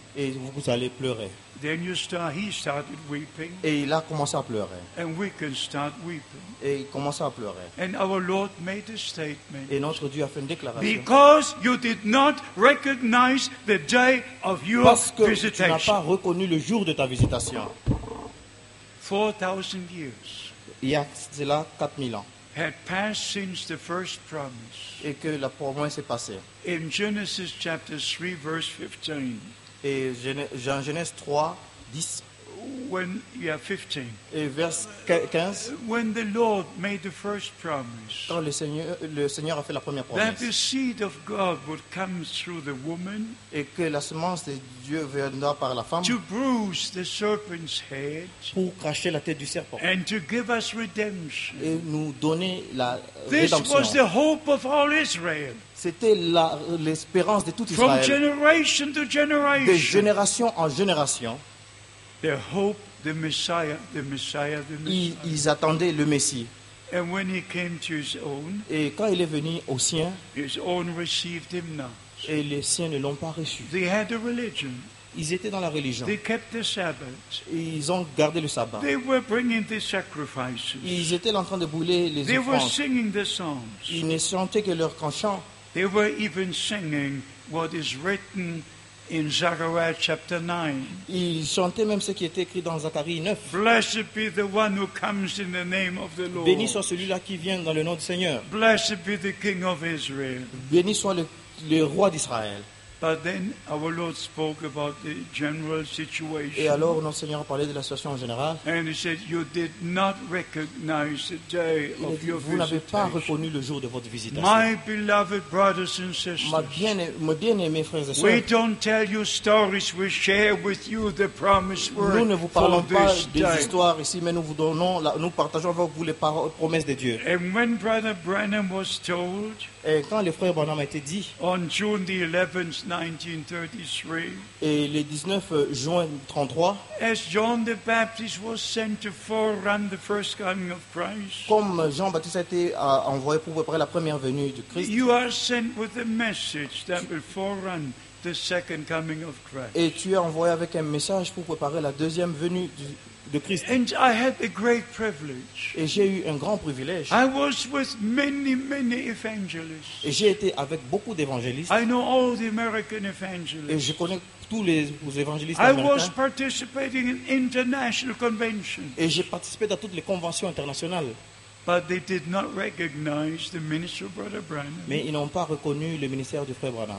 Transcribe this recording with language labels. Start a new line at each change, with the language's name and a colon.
French: Et vous allez pleurer.
English: Then you start, he started weeping.
French: Et il a commencé à pleurer.
English: And we can start weeping.
French: Et il commençait à pleurer.
English: And our Lord made a statement.
French: Et notre Dieu a fait une déclaration.
English: Because you did not recognize the day of your visitation.
French: Parce que tu n'as pas reconnu le jour de ta visitation.
English: 4,000 years.
French: Il y a cela 4,000 ans.
English: Had passed since the first promise.
French: Et que la promesse est passée.
English: In Genesis chapter 3, verse 15.
French: Et Jean Genèse 3, 10.
English: When you are 15.
French: Et verse 15.
English: When the Lord made the first promise.
French: Quand le Seigneur a fait la première promesse.
English: That the seed of God would come through the woman.
French: Et que la semence de Dieu viendra par la femme.
English: To bruise the serpent's head.
French: Pour cracher la tête du serpent.
English: And to give us redemption.
French: Et nous donner la
English: this
French: rédemption.
English: This was the hope of all Israel.
French: C'était l'espérance de tout Israël.
English: From generation to generation.
French: De génération en génération.
English: The hope, the Messiah, the Messiah, the Messiah.
French: Ils attendaient le Messie.
English: And when he came to his own,
French: et quand il est venu aux siens,
English: his own received him not.
French: Et les siens ne l'ont pas reçu.
English: They had a religion.
French: Ils étaient dans la religion.
English: They kept the Sabbath.
French: Et ils ont gardé le sabbat.
English: They were bringing the sacrifices.
French: Ils étaient en train de brûler les
English: they
French: offrandes.
English: Were singing the songs.
French: Ils ne chantaient que leurs chants.
English: They were even singing what is written in Zechariah chapter 9.
French: Ils chantaient même ce qui était écrit dans Zacharie 9.
English: Blessed be the one who comes in the name of the Lord.
French: Béni soit celui-là qui vient dans le nom du Seigneur.
English: Blessed be the King of Israel.
French: Béni soit le roi d'Israël.
English: But then our Lord spoke about the general situation.
French: Et alors notre Seigneur a parlé de la situation en général.
English: And he said, "You did not recognize the day of your visitation."
French: Vous n'avez pas reconnu le jour de votre visitation.
English: My beloved brothers and sisters.
French: Mes bien-aimés frères et sœurs.
English: We don't tell you stories. We share with you the promised word.
French: Nous ne vous parlons pas des histoires ici, mais nous partageons avec vous les paroles, promesses de Dieu.
English: And when Brother Branham was told.
French: Et quand le frère Branham a été dit.
English: On June the 11th. 1933.
French: Et le 19 juin 33.
English: As John the Baptist was sent to forerun the first coming of Christ.
French: Comme Jean Baptiste a été envoyé pour préparer la première venue du Christ.
English: You are sent with a message that will forerun the second coming of Christ.
French: Et tu es envoyé avec un message pour préparer la deuxième venue de Christ.
English: And I had a great privilege.
French: Et j'ai eu un grand privilège.
English: I was with many, many evangelists.
French: Et j'ai été avec beaucoup d'évangélistes.
English: I know all the American evangelists.
French: Et je connais tous les évangélistes
English: américains. I was participating in international conventions.
French: Et j'ai participé à toutes les conventions internationales.
English: But they did not recognize the ministry of Brother Branham.
French: Mais ils n'ont pas reconnu le ministère du frère Branham.